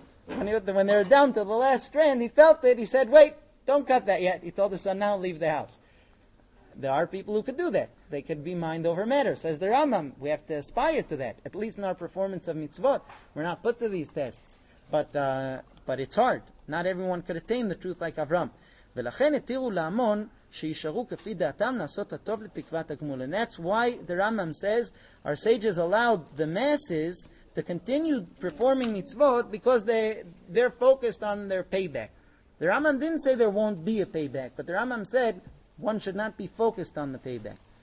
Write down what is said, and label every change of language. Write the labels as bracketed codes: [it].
[en] When they were down to the last strand, he felt it. He said, wait, don't cut that yet. He told his son, now leave the house. There are people who could do that. They could be mind over matter. Says the Rambam, we have to aspire to that. At least in our performance of mitzvot, we're not put to these tests. But it's hard. Not everyone could attain the truth like Avram. [he] ולכן התירו להמון שישארו כפי דעתם לעשות הטוב לתקוות הגמול. [en] And that's why the Rambam says, our sages allowed the masses to continue performing mitzvot because they're focused on their payback. The Rambam didn't say there won't be a payback, but the Rambam said one should not be focused on the payback.